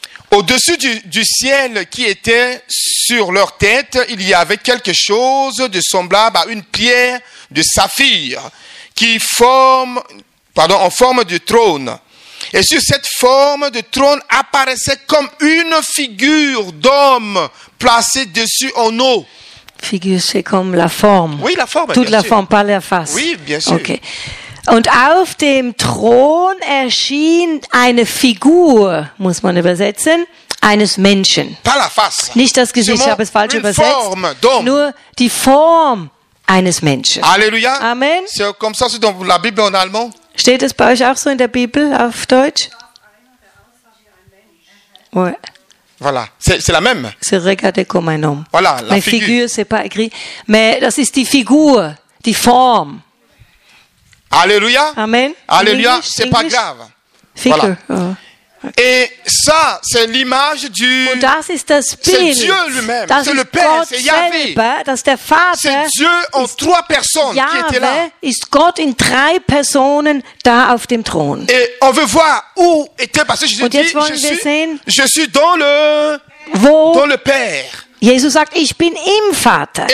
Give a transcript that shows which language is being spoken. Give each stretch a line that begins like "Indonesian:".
French: Au-dessus du ciel qui était sur leur tête, il y avait quelque chose de semblable à une pierre de saphir qui forme, pardon, en forme de trône. Et sur cette forme de trône apparaissait comme une figure d'homme placée dessus en eau. Figure, c'est comme la forme. Oui, la forme. Toute bien la sûr. Forme, pas la face. Oui, bien sûr. Okay.
German: Und auf dem Thron erschien eine Figur, muss man übersetzen, eines Menschen.
French: Pas la face.
German: Nicht das Gesicht, ich habe es falsch
French: une
German: übersetzt.
French: Forme d'homme.
German: Nur die Form eines Menschen.
French: Alléluia. Amen. C'est comme ça, c'est dans la Bible en allemand.
German: Steht es bei euch auch so in der Bibel auf Deutsch?
French: Ouais. Voilà, c'est la même. Se regarder comme un homme. Voilà, la mais figure, c'est pas écrit.
German: Mais das ist die Figur, die Form.
French: Alléluia. Amen. Alléluia, English, c'est English? Pas grave. Figure. Voilà. Oh. Et ça, c'est l'image du.
German: Und das ist das Bild.
French: C'est Dieu lui-même.
German: Das
French: c'est le Père, Gott c'est Yahvé.
German: Selber, dass der Vater
French: c'est Dieu en trois personnes Yahvé qui était là.
German: Ist Gott in drei Personen da auf dem Thron.
French: Et on veut voir où était parce que Jésus dit, je suis dans le.
German: Wo?
French: Dans le Père.
German: Jesus sagt, ich bin im Vater.